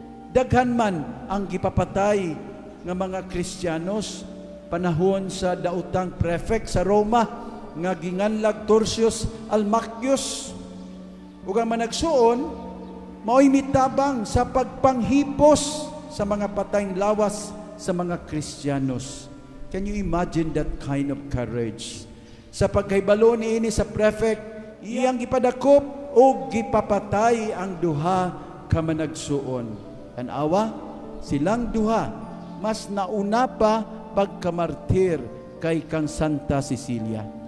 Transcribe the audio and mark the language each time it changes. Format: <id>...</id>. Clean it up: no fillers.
<ceb>Daghan man ang gipapatay nga mga Kristiyanos panahon sa daotang prefect sa Roma nga ginganlag Tursius Almacius. Ug ang managsuon mao'y mitabang sa pagpanghipos sa mga patayng lawas sa mga Kristiyanos.</ceb> <en>Can you imagine that kind of courage?</en> <ceb>Sa paghibalo niini sa prefect, iyang gipadakop ug gipapatay ang duha ka managsuon. Tan-awa, silang duha mas nauna pa pagkamartir kay kang Santa Cecilia.</ceb>